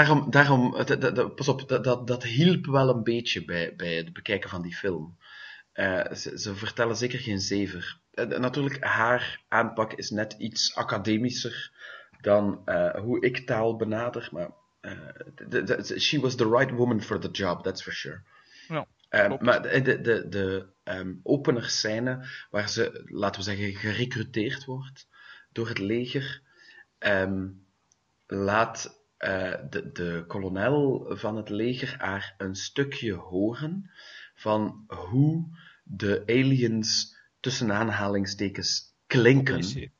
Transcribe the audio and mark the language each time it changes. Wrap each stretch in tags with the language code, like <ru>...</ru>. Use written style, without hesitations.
<nl>Daarom, pas op, dat hielp wel een beetje bij het bekijken van die film. Ze vertellen zeker geen zever. Natuurlijk, haar aanpak is net iets academischer dan hoe ik taal benader, maar...</nl> <en>she was the right woman for the job, that's for sure.</en> <nl>Maar de opener scène waar ze, laten we zeggen, gerecruiteerd wordt door het leger, laat de kolonel van het leger haar een stukje horen van hoe de aliens tussen aanhalingstekens klinken.</nl>